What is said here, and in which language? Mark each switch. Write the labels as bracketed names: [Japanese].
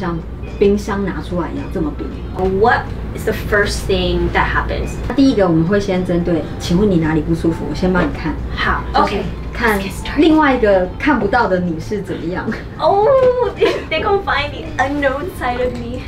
[Chinese] 我们有一些客人，他说这个会把一些不好的气就拿掉，好像一个抽风机咻冲掉。如果刀疗这个人的身体很冷，对，就说他体质很冷，刀下去我们刀子会像冰箱拿出来一样这么冰。What [English] is the first thing that happens? [Chinese] 第一个我们会先针对，请问你哪里不舒服，我先帮你看。好，OK。看另外一个看不到的你是怎么样。Oh, [English] they can find the unknown side of me.